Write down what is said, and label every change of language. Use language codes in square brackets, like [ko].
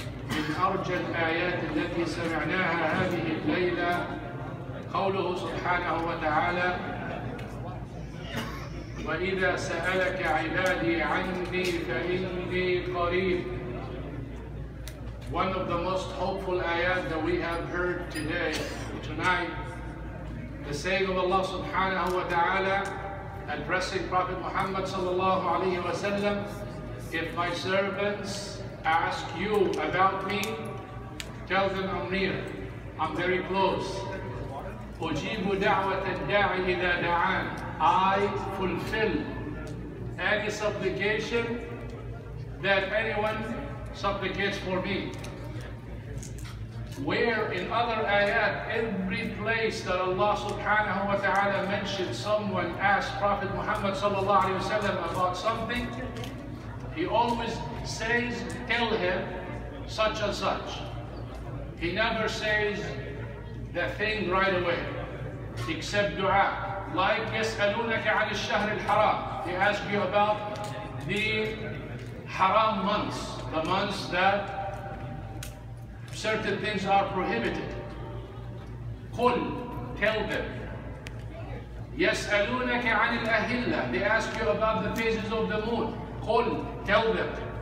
[ar] من أرجى الآيات التي سمعناها هذه الليلة قوله سبحانه وتعالى: وإذا سألك عبادي عني فإني قريب. [en] One of the most hopeful ayat that we have heard today, tonight, the saying of Allah subhanahu wa ta'ala addressing Prophet Muhammad sallallahu alayhi wa sallam: if my servants ask you about me, tell them I'm near, I'm very close. [ar] أُجِيبُ دَعْوَةَ الدَّاعِ إِذَا دَعَانِ. [en] I fulfill any supplication that anyone supplicates for me. Where in other ayat, every place that Allah subhanahu wa ta'ala mentioned someone asked Prophet Muhammad sallallahu alayhi wa sallam about something, he always says, tell him such and such. He never says the thing right away, except dua. Like [ar] يَسْأَلُونَكَ عَنِ الشَّهْرِ الْحَرَامِ. [en] They ask you about the haram months, the months that certain things are prohibited. [ar] قُلْ, [en] tell them. [ar] يَسْأَلُونَكَ عَنِ الْأَهِلَّةِ. [en] They ask you about the phases of the moon. [ar] قُلْ, [en] tell them.